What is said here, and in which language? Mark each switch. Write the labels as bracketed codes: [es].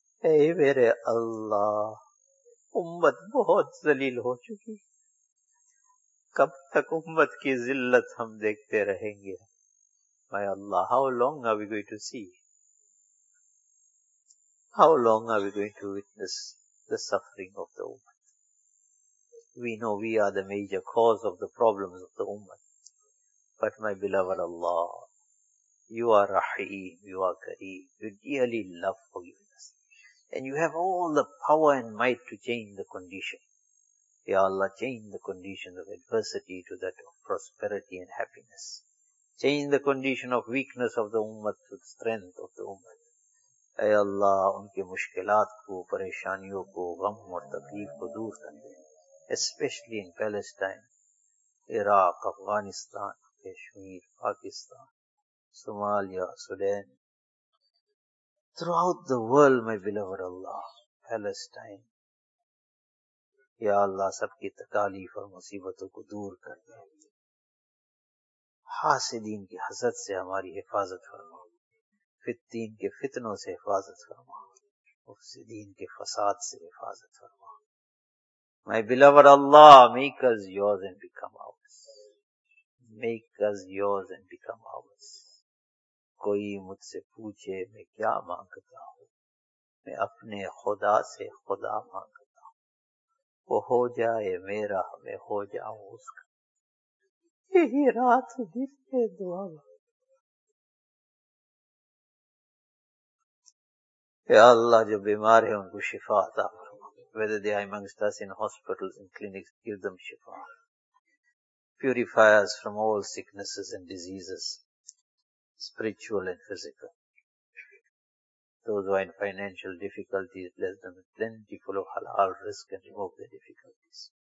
[ur] اے میرے اللہ, امت بہت ذلیل ہو چکی. کب تک امت کی ذلت ہم دیکھتے رہیں گے؟ [en] My اللہ, how long are we going to see, how long are we going to witness the suffering of the ummah? We know we are the major cause of the problems of the ummah. But my beloved Allah, you are Rahim, you are Kareem, you dearly love forgiveness. And you have all the power and might to change the condition. Ya Allah, change the condition of adversity to that of prosperity and happiness. Change the condition of weakness of the ummah to the strength of the ummah. [ur] اے اللہ, ان کے مشکلات کو, پریشانیوں کو, غم اور تکلیف کو دور کر دے, [en] specially in [ur] Palestine, Iraq, Afghanistan, Kashmir, Pakistan, Somalia, Sudan, [en] throughout the world my beloved اللہ, [ur] Palestine. یا اللہ, سب کی تکالیف اور مصیبتوں کو دور کر دے. حاسدین کی حسد سے ہماری حفاظت فرما, فتین کے فتنوں سے حفاظت فرما, مفسدین کے فساد سے حفاظت فرما. [en] My beloved Allah, make us yours and become ours. Make us yours and become ours. [ur] کوئی مجھ سے پوچھے میں کیا مانگتا ہوں, میں اپنے خدا سے خدا مانگتا ہوں, وہ ہو جائے میرا, میں ہو جاؤں اس کا. یہی رات دل کے دعا با. یا اللہ, جو بیمار ہیں ان کو شفا عطا فرما. [en] Whether they are amongst us in hospitals and clinics, give them shifa. Purify us from all sicknesses and diseases, spiritual and physical. Those who are in financial difficulties, bless them with plentiful of halal risk and remove their difficulties.